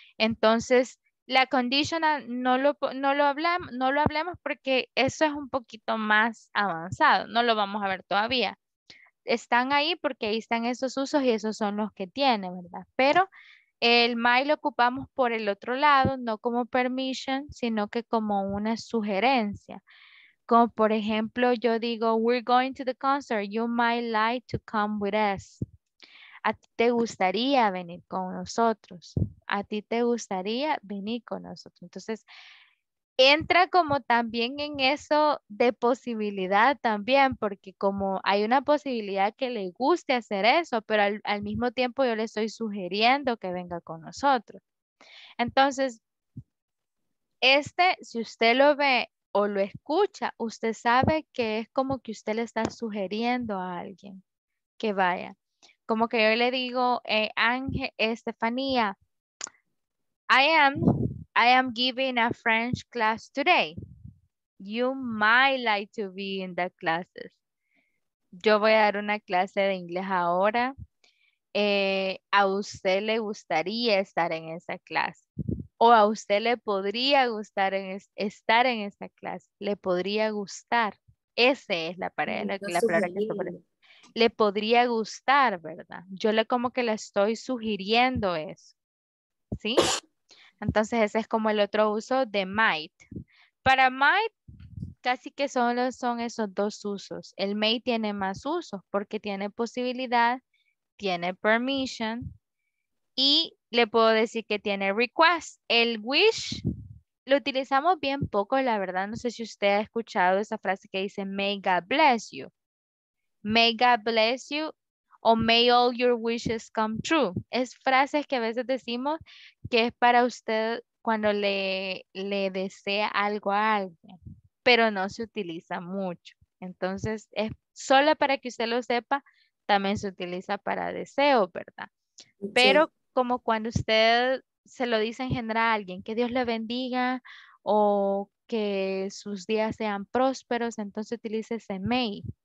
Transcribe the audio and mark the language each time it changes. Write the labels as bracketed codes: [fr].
[es] Entonces, la conditional no lo hablemos porque eso es un poquito más avanzado. No lo vamos a ver todavía. Están ahí porque ahí están esos usos y esos son los que tiene, ¿verdad? Pero el may lo ocupamos por el otro lado, no como permission, sino que como una sugerencia. Como por ejemplo, yo digo, [en] we're going to the concert, you might like to come with us. [es] ¿A ti te gustaría venir con nosotros? ¿A ti te gustaría venir con nosotros? Entonces, entra como también en eso de posibilidad también, porque como hay una posibilidad que le guste hacer eso, pero al mismo tiempo yo le estoy sugiriendo que venga con nosotros. Entonces, este, si usted lo ve o lo escucha, usted sabe que es como que usted le está sugiriendo a alguien que vaya. Como que yo le digo, [en] Ángel, Estefanía, I am giving a French class today. You might like to be in the classes. [es] Yo voy a dar una clase de inglés ahora. ¿A usted le gustaría estar en esa clase? ¿O a usted le podría gustar estar en esa clase? ¿Le podría gustar? Esa es la pared, la palabra que está por ahí. Le podría gustar, ¿verdad? Yo le como que le estoy sugiriendo eso, ¿sí? Entonces ese es como el otro uso de might. Para might casi que solo son esos dos usos. El may tiene más usos porque tiene posibilidad, tiene permission y le puedo decir que tiene request. El wish lo utilizamos bien poco, la verdad. No sé si usted ha escuchado esa frase que dice [en] may God bless you. May God bless you, o may all your wishes come true. [es] Es frases que a veces decimos que es para usted cuando le desea algo a alguien, pero no se utiliza mucho. Entonces, es solo para que usted lo sepa, también se utiliza para deseo, ¿verdad? Pero sí, como cuando usted se lo dice en general a alguien, que Dios le bendiga, o que sus días sean prósperos, entonces utilice ese may.